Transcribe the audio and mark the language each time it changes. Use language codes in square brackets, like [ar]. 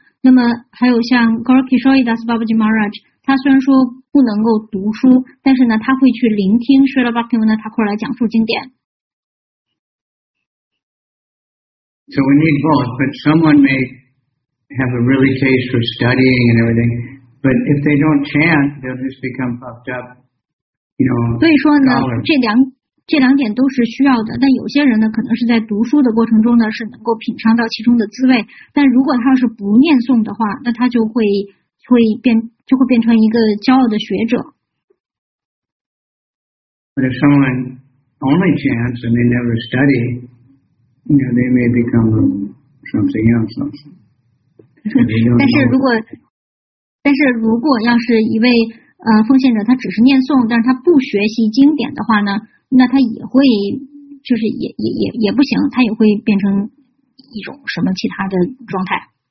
[zh] 那么还有像 Gaur Kishore Das Babaji Maharaj, 他虽然说不能够读书，但是呢他会去聆听 Srila Bhaktivinoda Thakur 来讲述经典。 [en] So we need both, but someone may have a really taste for studying and everything, but if they don't chant, they'll just become puffed up, [zh] 所以说呢这两点都是需要的，但有些人呢可能是在读书的过程中呢是能够品尝到其中的滋味，但如果他要是不念诵的话，那他就会变成一个骄傲的学者。 [en] But if someone only chants and they never study, they may become something else. [zh] 但是如果要是一位奉献者，他只是念诵，但是他不学习经典的话呢，那他也会就是也不行，他也会变成一种什么其他的状态。